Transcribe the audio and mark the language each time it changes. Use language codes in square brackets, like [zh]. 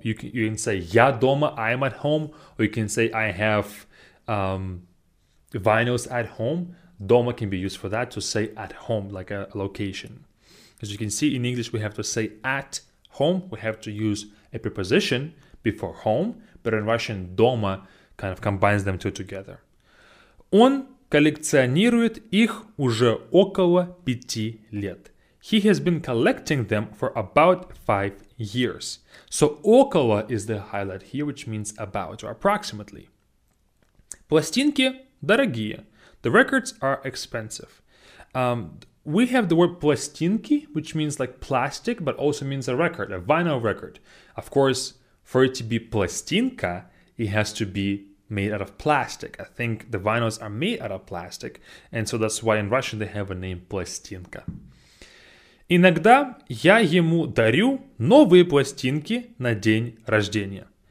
[en] You can say [ru] я дома, [en] I am at home. Or you can say I have vinyls at home. Дома can be used for that, to say at home, like a location. As you can see, in English, we have to say at home. We have to use a preposition before home. But in Russian, дома kind of combines them two together. [ru] Он коллекционирует их уже около 5 лет. [en] He has been collecting them for about 5 years. So около is the highlight here, which means about or approximately. [ru] Пластинки дорогие. [en] The records are expensive. We have the word пластинки, which means like plastic, but also means a record, a vinyl record. Of course, for it to be пластинка, it has to be made out of plastic. I think the vinyls are made out of plastic, and so that's why in Russian they have a name пластинка. [ru] Иногда я ему дарю новые пластинки на день рождения.